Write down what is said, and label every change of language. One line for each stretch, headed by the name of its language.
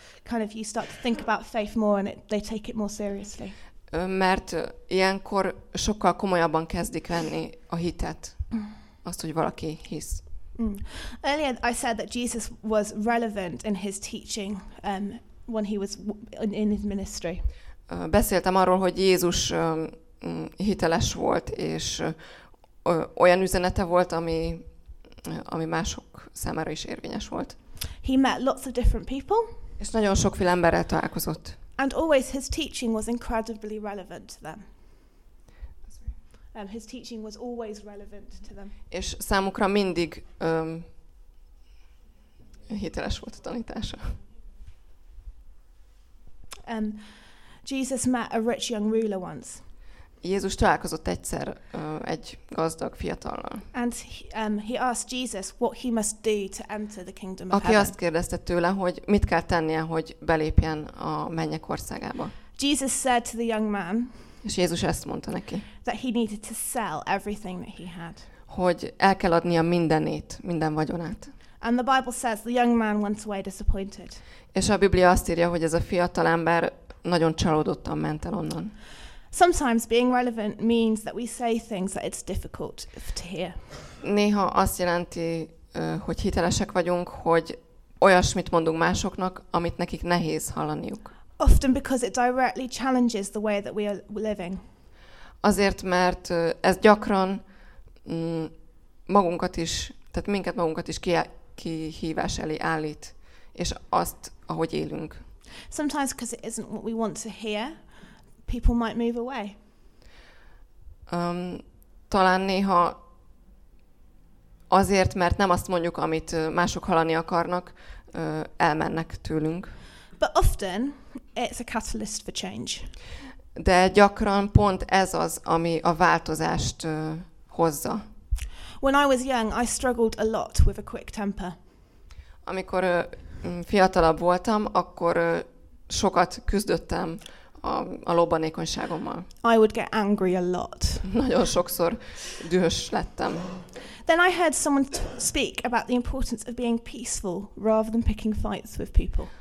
English: Kind of you start to think about faith more and they take it more seriously.
Hungarian: mert ilyenkor sokkal komolyabban kezdik venni a hitet, azt, hogy valaki hisz. Mm.
English: Earlier I said that Jesus was relevant in his teaching when he was in his ministry.
Hungarian: Beszéltem arról, hogy Jézus hiteles volt, és olyan üzenete volt, ami mások számára is érvényes volt.
English: He met lots of different people.
Hungarian: És nagyon sokféle emberrel találkozott.
English: And always his teaching was incredibly relevant to them. His teaching was always relevant to them.
Hungarian: És számukra mindig hiteles volt a tanítása.
English: Jesus met a rich young ruler once.
Hungarian: Jézus találkozott egyszer egy gazdag fiatallal.
English: And he asked Jesus what he must do to enter the kingdom of heaven.
Hungarian: Aki azt kérdezte tőle, hogy mit kell tennie, hogy belépjen a mennyek országába.
English: Jesus said to the young man.
Hungarian: És Jézus ezt mondta neki.
English: That he needed to sell everything that he had.
Hungarian: Hogy el kell adnia mindenét, minden vagyonát.
English: And the Bible says the young man went away disappointed.
Hungarian: És a Biblia azt írja, hogy ez a fiatal ember nagyon csalódottan ment el onnan.
English: Sometimes being relevant means that we say things that it's difficult to hear.
Hungarian: Néha azt jelenti, hogy hitelesek vagyunk, hogy olyasmit mondunk másoknak, amit nekik nehéz hallaniuk.
English: Often because it directly challenges the way that we are living.
Hungarian: Azért, mert ez gyakran magunkat is, tehát minket magunkat is kihívás elé állít, és azt, ahogy élünk.
English: Sometimes because it isn't what we want to hear, people might move away.
Hungarian: Talán néha azért, mert nem azt mondjuk, amit mások hallani akarnak, elmennek tőlünk.
English: But often it's a catalyst for change.
Hungarian: De gyakran pont ez az, ami a változást hozza.
English: When I was young, I struggled a lot with a quick temper.
Hungarian: Amikor fiatalabb voltam, akkor sokat küzdöttem a lobbanékonyságommal.
English: I would get angry a lot.
Hungarian: Nagyon sokszor dühös lettem.
English: Then I heard someone speak about the importance of being peaceful rather than picking fights with people.